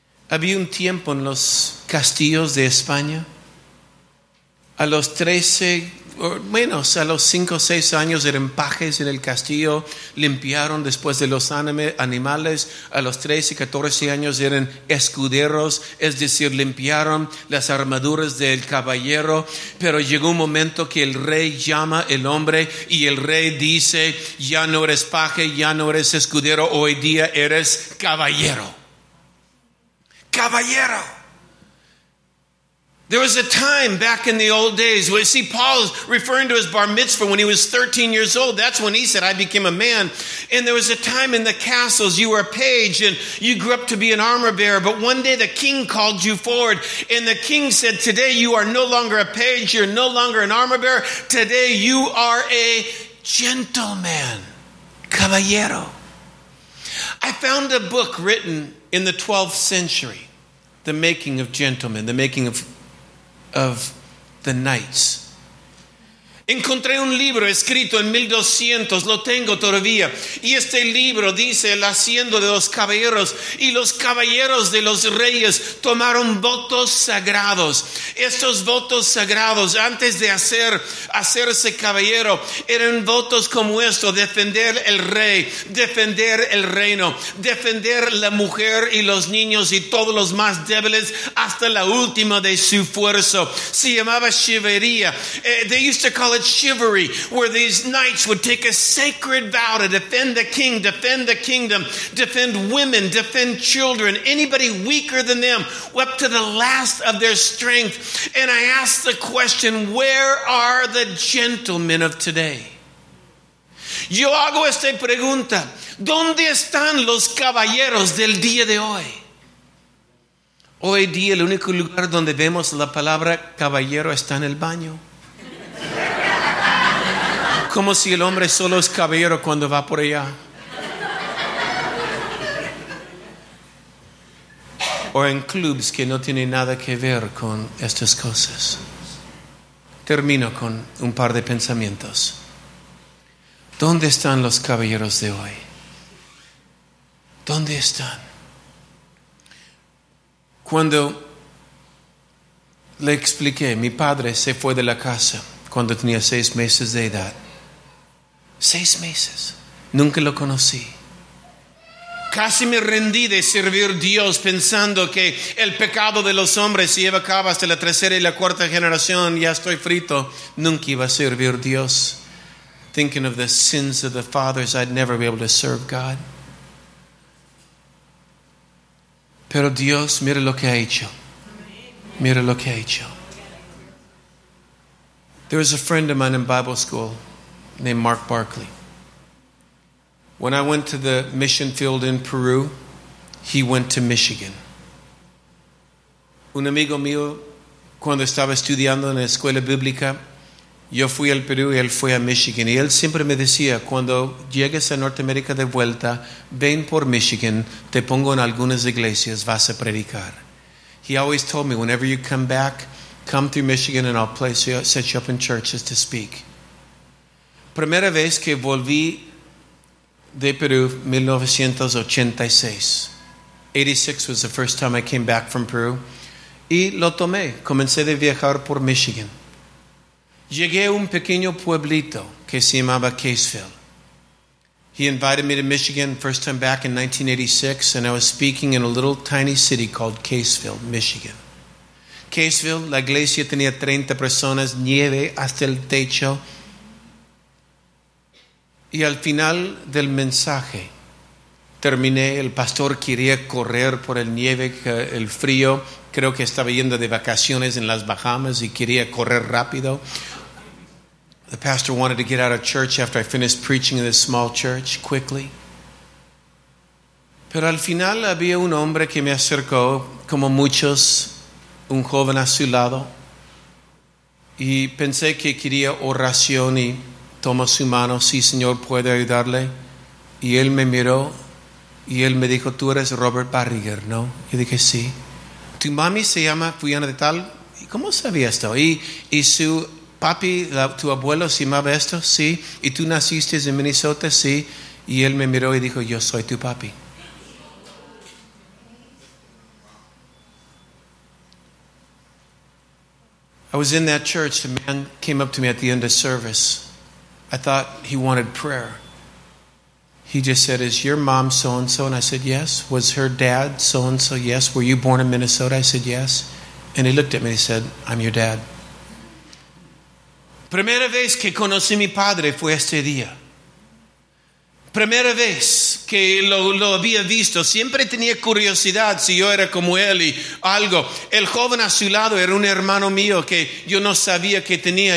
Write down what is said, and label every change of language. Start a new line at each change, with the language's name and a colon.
Spanish: Había un tiempo en los castillos de España, a los 13, o menos, a los 5 o 6 años eran pajes en el castillo, limpiaron después de los animales, a los 13, 14 años eran escuderos, es decir, limpiaron las armaduras del caballero, pero llegó un momento que el rey llama al hombre y el rey dice, ya no eres paje, ya no eres escudero, hoy día eres caballero. Caballero.
English: There was a time back in the old days. We see Paul's referring to his bar mitzvah when he was 13 years old. That's when he said, I became a man. And there was a time in the castles, you were a page and you grew up to be an armor bearer. But one day the king called you forward and the king said, today you are no longer a page. You're no longer an armor bearer. Today you are a gentleman. Caballero. found a book written in the 12th century, The Making of Gentlemen, The Making of the Knights.
Spanish: Encontré un libro escrito en 1200, lo tengo todavía. Y este libro dice, el haciendo de los caballeros y los caballeros de los reyes tomaron votos sagrados. Estos votos sagrados, antes de hacerse caballero, eran votos como esto, defender el rey, defender el reino, defender la mujer y los niños y todos los más débiles hasta la última de su esfuerzo. Se llamaba chivalría.
English: They used to call chivalry, where these knights would take a sacred vow to defend the king, defend the kingdom, defend women, defend children, anybody weaker than them, up to the last of their strength. And I asked the question, where are the gentlemen of today?
Spanish: Yo hago esta pregunta, ¿dónde están los caballeros del día de hoy? Hoy día el único lugar donde vemos la palabra caballero está en el baño. Como si el hombre solo es caballero cuando va por allá. O en clubs que no tienen nada que ver con estas cosas. Termino con un par de pensamientos. ¿Dónde están los caballeros de hoy? ¿Dónde están? Cuando le expliqué, mi padre se fue de la casa cuando tenía 6 meses de edad. 6 meses. Nunca lo conocí. Casi me rendí de servir a Dios pensando que el pecado de los hombres se lleva a cabo hasta la tercera y la cuarta generación. Ya estoy frito. Nunca iba a servir a Dios.
English: Thinking of the sins of the fathers, I'd never be able to serve God.
Spanish: Pero Dios, mira lo que ha hecho. Mira lo que ha hecho.
English: There was a friend of mine in Bible school named Mark Barkley. When I went to the mission field in Peru, he went to Michigan.
Spanish: Un amigo mío, cuando estaba estudiando en la escuela bíblica, yo fui al Perú y él fue a Michigan. Y él siempre me decía, cuando llegues a Norteamérica de vuelta, ven por Michigan, te pongo en algunas iglesias, vas a predicar.
English: He always told me, whenever you come back, come through Michigan and I'll place you, set you up in churches to speak.
Spanish: Primera vez que volví de Perú, 1986.
English: 86 was the first time I came back from Peru.
Spanish: Y lo tomé. Comencé de viajar por Michigan. Llegué a un pequeño pueblito que se llamaba Caseville.
English: He invited me to Michigan, first time back in 1986, and I was speaking in a little tiny city called Caseville, Michigan.
Spanish: Caseville, la iglesia tenía 30 personas, nieve hasta el techo. Y al final del mensaje, terminé, el pastor quería correr por el nieve, el frío, creo que estaba yendo de vacaciones en las Bahamas y quería correr rápido.
English: The pastor wanted to get out of church after I finished preaching in this small church quickly.
Spanish: Pero al final había un hombre que me acercó, como muchos, un joven a su lado, y pensé que quería oración y toma su mano, sí, Señor, puede ayudarle. Y él me miró y él me dijo, tú eres Robert Barriger, ¿no? Yo dije, sí. Tu mami se llama Fulana de Tal. ¿Y cómo sabía esto? Y su papi, tu abuelo se llamaba esto, sí. Y tú naciste en Minnesota, sí. Y él me miró y dijo, yo soy tu papi.
English: I was in that church. The man came up to me at the end of service. I thought he wanted prayer. He just said, is your mom so-and-so? And I said, yes. Was her dad so-and-so? Yes. Were you born in Minnesota? I said, yes. And he looked at me and he said, I'm your dad.
Spanish: Primera vez que conocí mi padre fue este día. Primera vez que lo había visto, siempre tenía curiosidad si yo era como él y algo. El joven a su lado era un hermano mío que yo no sabía que tenía.